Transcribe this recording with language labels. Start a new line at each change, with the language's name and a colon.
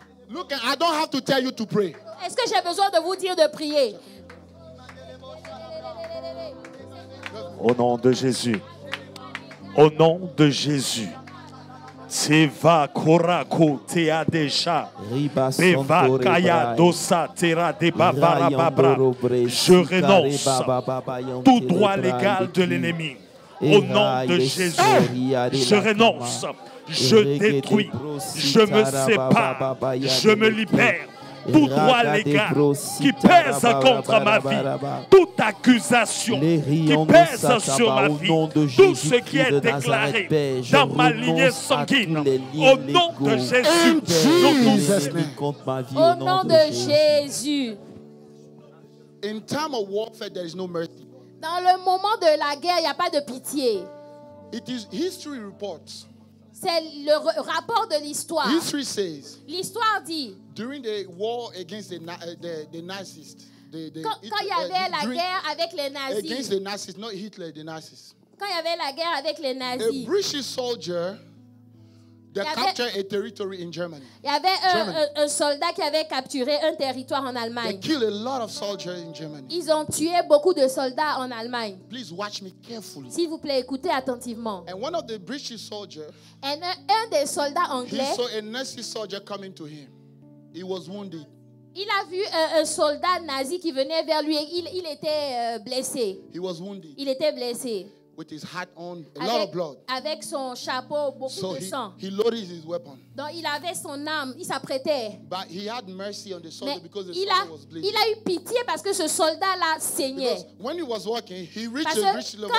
English: Look, I don't have to tell you to pray.
French: Est-ce que j'ai besoin de vous dire de prier? Au nom de Jésus. Au nom de Jésus. Teva korako te adesha riba Beva kaya dosa tera de babara babra. Je renonce tout droit légal de l'ennemi. Au nom de Jésus, je renonce, je détruis, je me sépare, je me libère. Tout droit légal qui pèse contre ma vie, toute accusation qui pèse sur ma vie, tout ce qui est déclaré dans ma lignée sanguine, au nom de Jésus, nous au nom de Jésus.
English: In time of warfare, there is no mercy.
French: Dans le moment de la guerre, il n'y a pas de pitié.
English: It is history reports.
French: C'est le rapport de l'histoire.
English: History says,
French: l'histoire dit.
English: During the war against the Nazis,
French: quand il y avait la guerre avec les nazis.
English: Against the Nazis, not Hitler, the Nazis.
French: Quand il y avait la guerre avec les nazis.
English: A British soldier, they captured a territory in Germany.
French: Il y avait un soldat qui avait capturé un territoire en Allemagne.
English: They killed a lot of soldiers in Germany.
French: Ils ont tué beaucoup de soldats en Allemagne.
English: Please watch me carefully.
French: S'il vous plaît, écoutez attentivement.
English: And one of the British soldiers,
French: and un des soldats anglais,
English: he saw a Nazi soldier coming to him. He was wounded.
French: Il a vu un soldat nazi qui venait vers lui. Il était blessé.
English: He was wounded.
French: Il était blessé.
English: with his hat on, a lot of blood.
French: Avec son chapeau, beaucoup
English: so
French: de sang.
English: He loaded his weapon.
French: Donc il avait son arme, il s'apprêtait.
English: But he had mercy on the soldier
French: Mais
English: because the soldier was bleeding.
French: Il a eu pitié parce que ce soldat là saignait.
English: Because when he was walking, he reached the bridge level